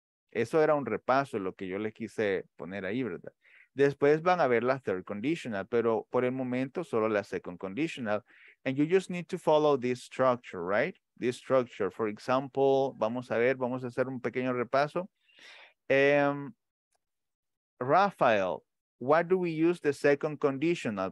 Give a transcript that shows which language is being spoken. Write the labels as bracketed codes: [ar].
[es] Eso era un repaso, lo que yo les quise poner ahí, ¿verdad? Después van a ver la third conditional, pero por el momento solo la second conditional. [en] And you just need to follow this structure, right? This structure. [es] For example, vamos a hacer un pequeño repaso. [en] Rafael, why do we use the second conditional?